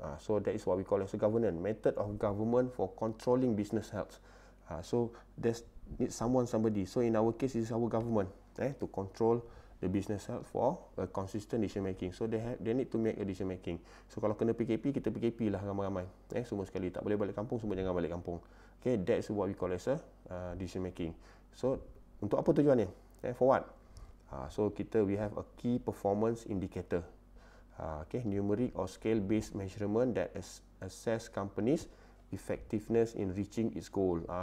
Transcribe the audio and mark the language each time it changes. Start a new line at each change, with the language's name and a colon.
English: So that is what we call as a governor. Method of government for controlling business health. So there's need somebody. So in our case, it's our government to control the business health for a consistent decision making. So they need to make a decision making.
Malay: So kalau kena PKP, kita PKP lah ramai-ramai. Semua sekali tak boleh balik kampung, semua jangan balik kampung.
English: Okay, that's what we call as a decision making.
Malay: So untuk apa tujuannya?
English: For what? So kita we have a key performance indicator. Okay, numeric or scale based measurement that assess companies effectiveness in reaching its goal.